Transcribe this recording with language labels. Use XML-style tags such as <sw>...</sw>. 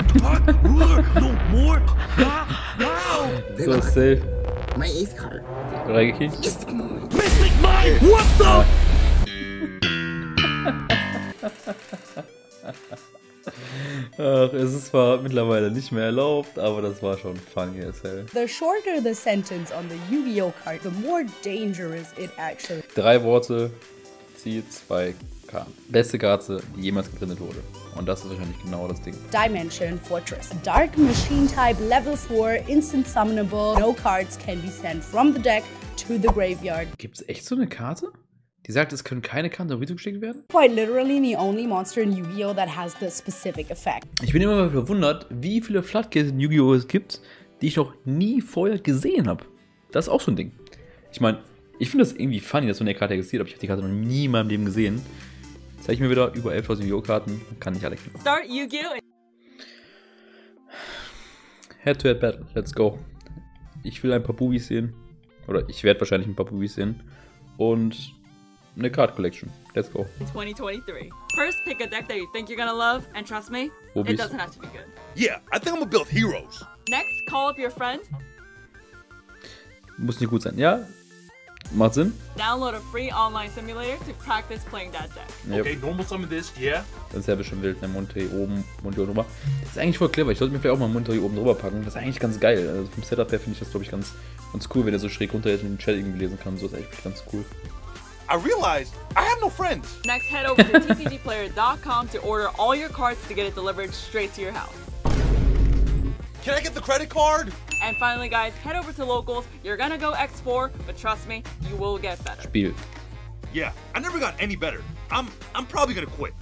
<en>Dark Ruler, no more! Now! So safe. My ace card. Reiki? Mystic Mind! What the?</en> <de>Ach, es ist zwar mittlerweile nicht mehr erlaubt, aber das war schon</de> <en>funny as hell. The shorter the sentence on the Yu-Gi-Oh card, the more dangerous it actually.</en> <de>Drei Worte, ziehe zwei Karten. Beste Karte, die jemals geprintet wurde. Und das ist wahrscheinlich genau das Ding.</de> <en>Dimension Fortress. Dark Machine Type, Level 4, Instant Summonable. No cards can be sent from the deck to the graveyard.</en> <de>Gibt's echt so eine Karte? Die sagt, es können keine Karten darüber zugeschickt werden?</de> <en>Quite literally the only monster in Yu-Gi-Oh! That has the specific effect.</en> <de>Ich bin immer mal verwundert, wie viele Floodgates in Yu-Gi-Oh! Es gibt, die ich noch nie vorher gesehen habe. Das ist auch so ein Ding. Ich meine, ich finde das irgendwie funny, dass so eine Karte existiert, aber ich habe die Karte noch nie in meinem Leben gesehen. Zeige ich mir wieder über 11.000 Yu-Gi-Oh! Karten, kann nicht alle kennen.</de> <en>Start Yu-Gi-Oh! Head-to-head battle, let's go.</en> <de>Ich will ein paar Bubis sehen. Oder ich werde wahrscheinlich ein paar Bubis sehen. Und eine Card Collection.</de> <en>Let's go. 2023. First pick a deck that you think you're gonna love, and trust me,</en> <de>Bubis.</de> <en>It doesn't have to be good. Yeah, I think I'm gonna build heroes. Next, call up your friend.</en> <de>Muss nicht gut sein, ja? Macht Sinn.</de> <en>Download a free online simulator to practice playing that deck. Yep. Okay, normal summon this, yeah.</en> <de>Das ist ja bestimmt wild, ne? Mund hier oben, Mund hier oben drüber. Das ist eigentlich voll clever. Ich sollte mir vielleicht auch mal Mund hier oben drüber packen. Das ist eigentlich ganz geil. Also vom Setup her finde ich das, glaube ich, ganz cool, wenn der so schräg runter ist und den Chat irgendwie lesen kann. So ist eigentlich ganz cool.</de> <en>I realized I have no friends. Next, head over to tcgplayer.com to order all your cards to get it delivered straight to your house. Can I get the credit card? And finally, guys, head over to Locals. You're gonna go X4, but trust me, you will get better.</en> <de>Spiel.</de> <en>Yeah, I never got any better. I'm probably gonna quit.</en>